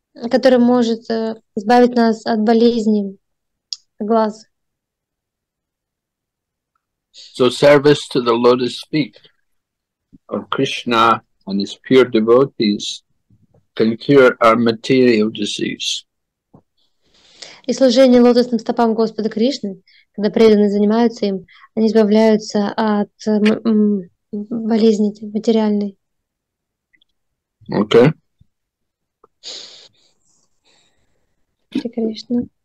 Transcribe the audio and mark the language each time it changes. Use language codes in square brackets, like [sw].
[ru] Который может избавить нас от болезни. Глаз. [en] So service to the lotus feet of Krishna and his pure devotees can cure our material disease. [ru] И служение лотосным стопам Господа Кришны, когда преданные занимаются им, они избавляются от болезни материальной. [en] Okay. [ru] Кришна.